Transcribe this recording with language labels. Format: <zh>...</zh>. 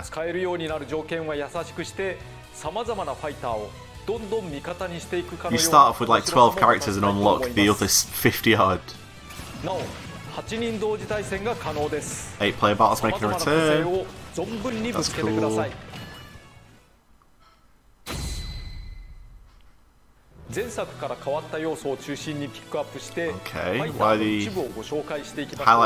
<ja>使えるようになる条件は優しくして、様々なファイターをどんどん味方にしていくかのように。</ja> <en>You start off with like 12 characters and unlock the other 50 odd.</en> <ja>No, 8人同時対戦が可能です。</ja> <en>8 player battles making a return. That's cool.</en> <ja>前作から変わった要素を中心にピックアップしてファイターの一部をご紹介していきます。</ja>